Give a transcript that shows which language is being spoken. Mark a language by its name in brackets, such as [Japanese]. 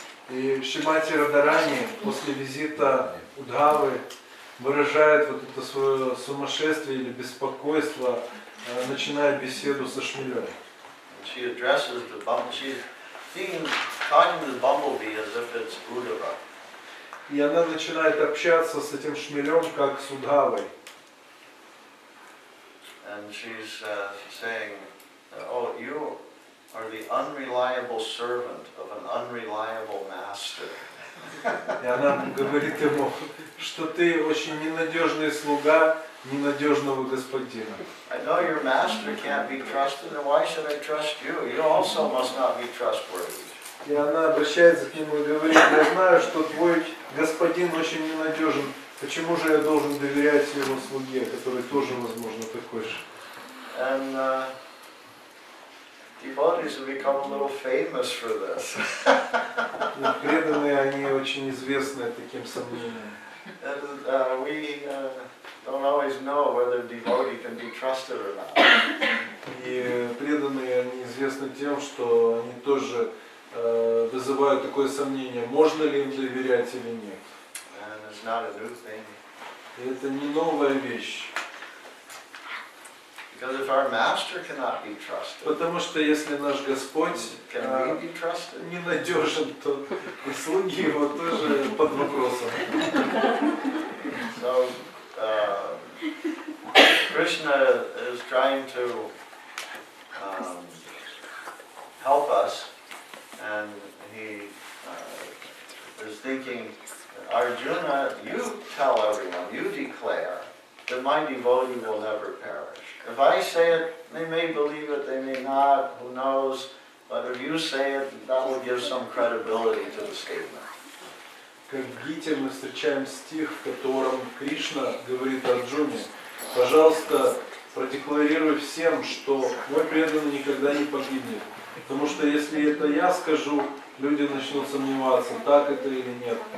[Russian] И Шримати Радхарани после визита Удхавы выражает вот это свое сумасшествие или беспокойство, начиная беседу со шмелем. [English] She addresses the bumblebee. She's talking to the bumblebee as if it's Uddhava. [Russian] И она начинает общаться с этим шмелем как с Удхавой. [English] and she's saying, "Oh, you are the unreliable servant of an unreliable master." [Russian] И она говорит ему, что ты очень ненадежный слуга ненадежного господина. [English] I know your master can't be trusted, and why should I trust you? You also must not be trustworthy. [Russian] И она обращается к нему и говорит: я знаю, что твой господин очень ненадежен. Почему же я должен доверять его слуге, который тоже, возможно, такой же? [English] And devotees have become a little famous for this. [Russian] Преданные они очень известны таким сомнением. [English] We don't always know whether a devotee can be trusted or not. [Russian] И преданные они известны тем, что они тоже вызывают такое сомнение, можно ли им доверять или нет. [English] And it's not a new thing. [Russian] И это не новая вещь. [English] Because if our master cannot be trusted, [Russian] потому что если наш Господь [English] can we be trusted? [Russian] Ненадежен, то и слуги его тоже под вопросом. [English] So, Krishna is trying to help us. And he is thinking, Arjuna, you tell everyone, you declare that my devotee will never perish. If I say it, they may believe it, they may not, who knows. But if you say it, that will give some credibility to the statement. [Russian] Как в Гите мы встречаем стих, в котором Кришна говорит Арджуне, пожалуйста, продекларируй всем, что мой преданный никогда не погибнет. Потому что если это я скажу, люди начнут сомневаться, так это или нет.